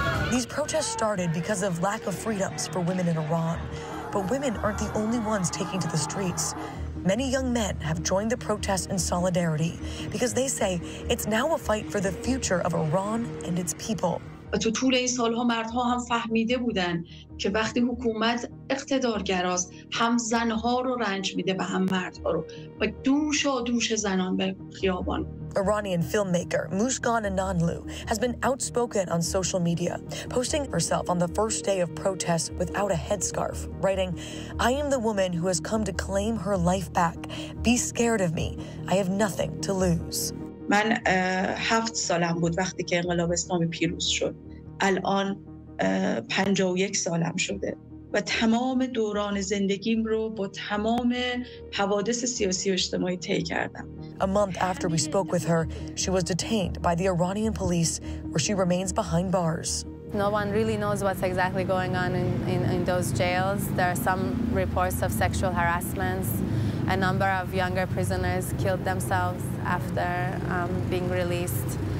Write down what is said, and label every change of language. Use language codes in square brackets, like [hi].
[en] These protests started because of lack of freedoms for women in Iran. But women aren't the only ones taking to the streets. Many young men have joined the protest in solidarity because they say it's now a fight for the future of Iran and its people. [fa] تو طول این سالها مردها هم فهمیده بودن که وقتی حکومت اقتدارگراست هم زنها رو رنج میده و هم مردها رو و دوش و دوش زنان به خیابان. [en] Iranian filmmaker Mushkan Ananlu has been outspoken on social media, posting herself on the first day of protests without a headscarf, writing, I am the woman who has come to claim her life back. Be scared of me. I have nothing to lose. [fa] من 7 سالم بود وقتی که انقلاب اسلامی پیروز شد. الان 51 سالم شده و تمام دوران زندگیم رو با تمام حوادث سیاسی و اجتماعی طی کردم. [en] A month after we spoke with her, she was detained by the Iranian police, where she remains behind bars. No one really knows what's exactly going on in those jails. There are some reports of sexual harassments. A number of younger prisoners killed themselves after being released.